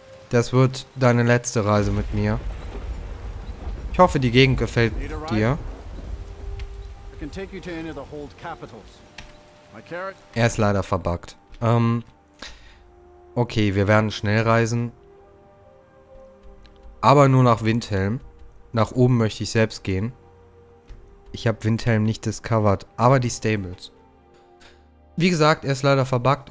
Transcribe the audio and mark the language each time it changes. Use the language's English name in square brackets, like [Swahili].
[German] Das wird deine letzte Reise mit mir. Ich hoffe, die Gegend gefällt dir. [English] I can take you to any of the hold capitals. My carrot? [German] Er ist leider verbuggt. Okay, wir werden schnell reisen. Aber nur nach Windhelm. Nach oben möchte ich selbst gehen. Ich habe Windhelm nicht discovered, aber die Stables. Wie gesagt, er ist leider verbuggt.